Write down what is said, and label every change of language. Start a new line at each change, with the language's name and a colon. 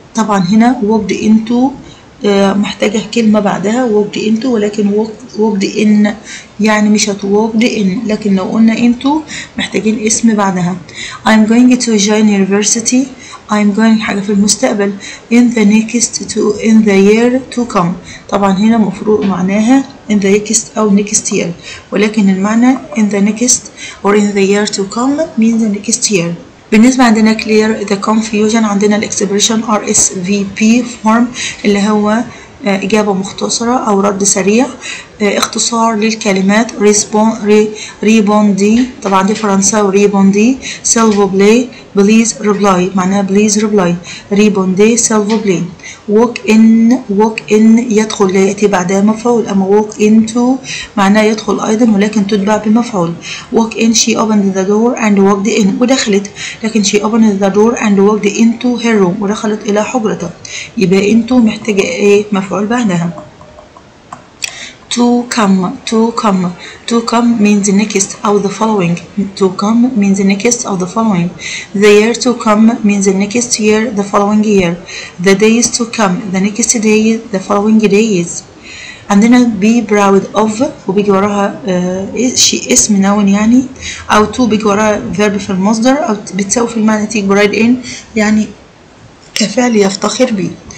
Arabic: طبعا هنا
English: walked into
Arabic: محتاجة كلمة بعدها walked into ولكن
English: walked in
Arabic: يعني مش walked in لكن لو قلنا
English: into
Arabic: محتاجين اسم بعدها.
English: I'm going to join university. I'm going
Arabic: حاجة في المستقبل.
English: In the next to in the year to come.
Arabic: طبعا هنا مفروض معناها
English: in the next
Arabic: أو
English: next year
Arabic: ولكن المعنى
English: in the next or in the year to come means the next year.
Arabic: بالنسبة عندنا
English: clear the confusion
Arabic: عندنا الاكسبريشن RSVP form اللي هو إجابة مختصرة أو رد سريع. اختصار للكلمات ريبوندي طبعا دي فرنسا وريبوندي سيلفو بلاي بليز ريبلاي معناها بليز ريبلاي ريبوندي سيلفو بلاي. ووك إن يدخل لا يأتي بعدها مفعول. أما ووك إنتو معناها يدخل أيضا ولكن تتبع بمفعول.
English: walk in she opened the door and walked in
Arabic: ودخلت لكن
English: شي opened the door and walked into her room
Arabic: ودخلت إلى حجرتها يبقى
English: إنتو
Arabic: محتاجة إيه مفعول بعدها.
English: to come. To come. To come means the next of the following. To come means the next of the following. The year to come means the next year, the following year. The days to come, the next day, the following days. And then be proud of,
Arabic: وبيجي وراها شيء اسم نون يعني, أو
English: to
Arabic: بيجي وراها
English: verb
Arabic: في المصدر, أو بتساوي في المعنى
English: take pride in,
Arabic: يعني كفعل يفتخر به.